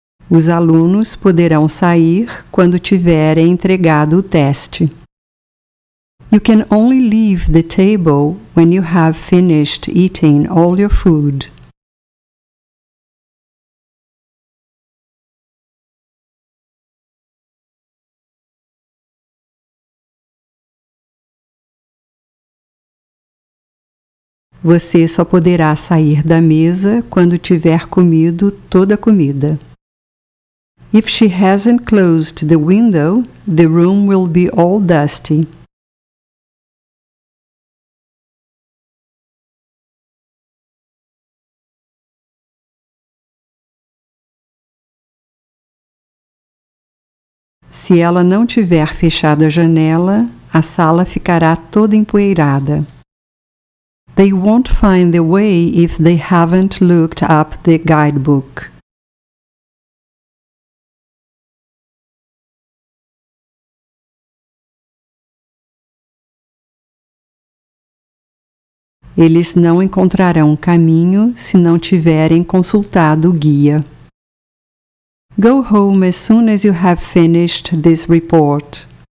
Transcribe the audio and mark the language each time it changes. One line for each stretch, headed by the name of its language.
Portuguese: Os alunos poderão sair quando tiverem entregado o teste.
English: You can only leave the table when you have finished eating all your food.
Portuguese: Você só poderá sair da mesa quando tiver comido toda a comida.
English: If she hasn't closed the window, the room will be all dusty.
Portuguese: Se ela não tiver fechado a janela, a sala ficará toda empoeirada.
English: They won't find the way if they haven't looked up the guidebook.
Portuguese: Eles não encontrarão caminho se não tiverem consultado o guia.
English: Go home as soon as you have finished this report.